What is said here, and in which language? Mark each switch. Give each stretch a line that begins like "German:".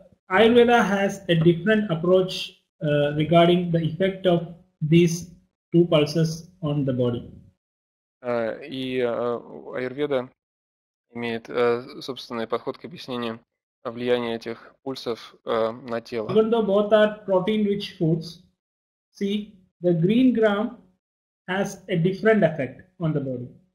English: Ayurveda has a different approach regarding the effect of these two pulses on the body.
Russian: Ayurveda имеет собственный подход к объяснению влияния этих пульсов на тело.
English: Even though both are protein-rich foods, see, the green gram has a different effect on the body.